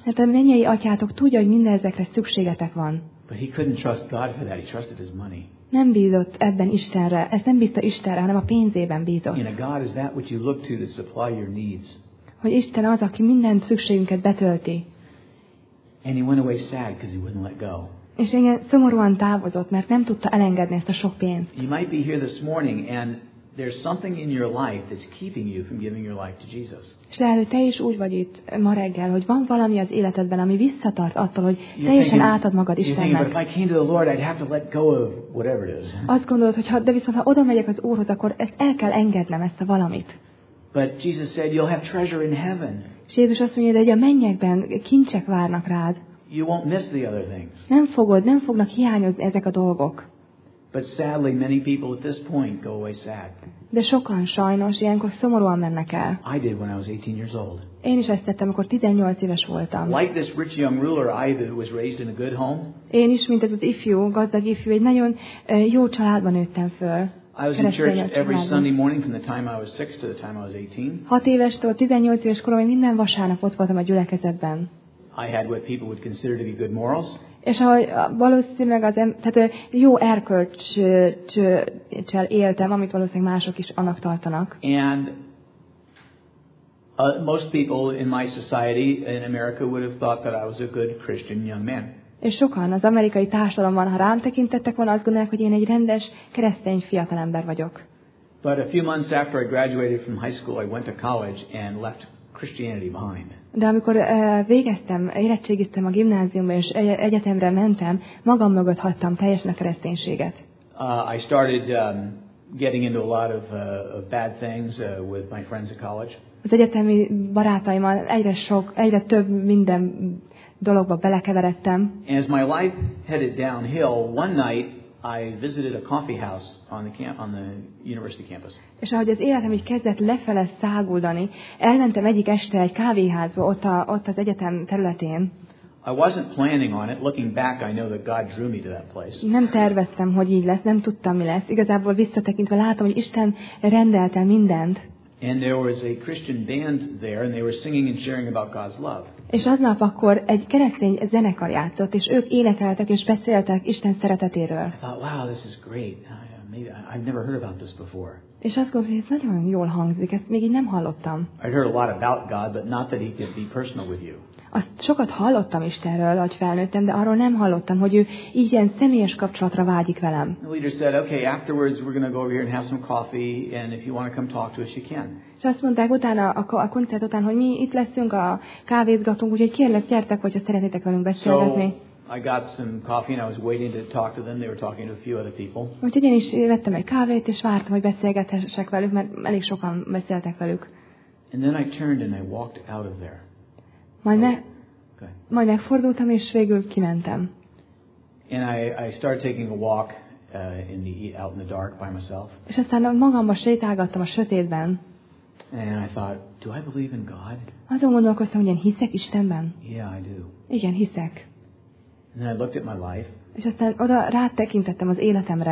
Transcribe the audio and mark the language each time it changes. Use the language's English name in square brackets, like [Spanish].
[Hungarian] Mert a mennyei atyátok tudja, hogy mindezekre szükségetek van. [English] But he couldn't trust God for that. He trusted his money. [Hungarian] Nem bízott ebben Istenre, ezt nem bízta Istenre, hanem a pénzében bízott. [English] You know, God is that which you look to supply your needs. [Hungarian] Hogy Isten az, aki minden szükségünket betölti. [English] And he went away sad because he wouldn't let go. [Hungarian] És igen, szomorúan távozott, mert nem tudta elengedni ezt a sok pénzt. [English] You might be here this morning and there's something in your life that's keeping you from giving your life to Jesus. [Hungarian] És lehet, te is úgy vagy itt ma reggel, hogy van valami az életedben, ami visszatart attól, hogy teljesen átad magad Istennek. [English] But if I came to the Lord, I'd have to let go of whatever it is. [Hungarian] Azt gondolod, hogy ha, de viszont ha oda megyek az Úrhoz, akkor ezt el kell engednem, ezt a valamit. [English] But Jesus said, you'll have treasure in heaven. [Hungarian] És Jézus azt mondja, de hogy a mennyekben kincsek várnak rád. [English] You won't miss the other things. [Hungarian] Nem fogod, nem fognak hiányozni ezek a dolgok. [English] But sadly, many people at this point go away sad. [Hungarian] De sokan sajnos ilyenkor szomorúan mennek el. [English] I did when I was 18 years old. [Hungarian] Én is ezt tettem, amikor 18 éves voltam. [English] Like this rich young ruler, I was raised in a good home. [Hungarian] Én is, mint ez az ifjú, gazdag ifjú, egy nagyon jó családban nőttem föl. [English] I was in church every Sunday morning from the time I was 6 to the time I was 18. [Hungarian] 6 évestől 18 éves koromig minden vasárnap ott voltam a gyülekezetben. [English] I had what people would consider to be good morals. [Hungarian] És ahogy valószínűleg az tehát jó erkölcsel éltem, amit valószínűleg mások is annak tartanak. [English] And most people in my society in America would have thought that I was a good Christian young man. [Hungarian] És sokan az amerikai társadalomban, ha rám tekintettek volna, azt gondolják, hogy én egy rendes keresztény fiatalember vagyok. [English] But a few months after I graduated from high school, I went to college and left Christianity behind. [Hungarian] De amikor végeztem, érettségiztem a gimnáziumban és egyetemre mentem, magam mögött hagytam teljesen a kereszténységet. [English] I started getting into a lot of bad things with my friends at college. [Hungarian] Az egyetemi barátaimmal egyre sok, egyre több minden dologba belekeveredtem. [English] As my life headed downhill, one night I visited a coffee house on the university campus. [Hungarian] És ahogy az életem így kezdett lefele száguldani, elmentem egyik este egy kávéházba ott az egyetem területén. [English] I wasn't planning on it. Looking back, I know that God drew me to that place. [Hungarian] Nem terveztem, hogy így lesz, nem tudtam, mi lesz. Igazából visszatekintve látom, hogy Isten rendelte mindent. [English] And there was a Christian band there and they were singing and sharing about God's love. [Hungarian] És aznap akkor egy keresztény zenekar játszott, és ők énekeltek és beszéltek Isten szeretetéről. [English] I thought, wow, this is great. I've never heard about this before. [Hungarian] És azt gondolom, hogy ez nagyon jól hangzik, ezt még így nem hallottam. [English] I'd heard a lot about God, but not that he could be personal with you. [Hungarian] Azt sokat hallottam Istenről, ahogy felnőttem, de arról nem hallottam, hogy ő ilyen személyes kapcsolatra vágyik velem. [English] The leader said, okay, afterwards we're going to go over here and have some coffee, and if you want to come talk to us, you can. [Hungarian] És azt mondták utána, a koncert után, hogy mi itt leszünk, a kávézgatunk, úgyhogy kérlek, gyertek, hogyha szeretnétek velünk beszélgetni. [English] So I got some coffee, and I was waiting to talk to them. They were talking to a few other people. [Hungarian] Úgyhogy én is vettem egy kávét, és vártam, hogy beszélgethessek velük, mert elég sokan beszéltek velük. [English] And then I turned and I walked out of there. [Hungarian] Majd megfordultam, és végül kimentem. [English] And I started taking a walk out in the dark by myself. [Hungarian] És aztán magamba sétálgattam a sötétben. [English] And I thought, do I believe in God? [Hungarian] Azon gondolkoztam, hogy én hiszek Istenben. [English] Yeah, I do. [Hungarian] Igen, hiszek. [English] And then I looked at my life. [Hungarian] És aztán oda rátekintettem az életemre.